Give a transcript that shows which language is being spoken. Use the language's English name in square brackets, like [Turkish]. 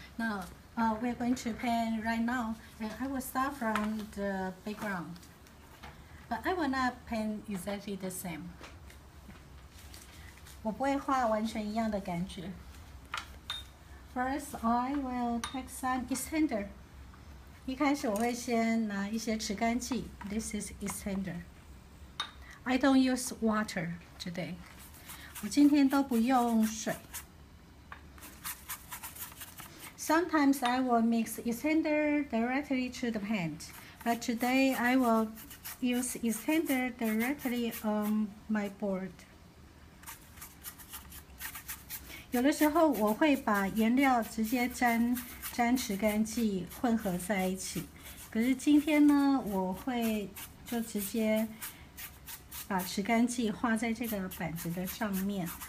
[English] 那we're going to paint right now, and I will start from the background. But I will not paint exactly the same. [Chinese] 我不会画完全一样的感觉。 [English] First, I will take some extender. [Chinese] 一开始我会先拿一些尺干剂。 [English] This is extender. I don't use water today. [Chinese] 我今天都不用水。 [English] Sometimes I will mix extender directly to the paint, but today I will use extender directly on my board. [Chinese] 有的时候我会把颜料直接沾尺干剂混合在一起，可是今天呢，我会就直接。把持干剂画在这个板子的上面。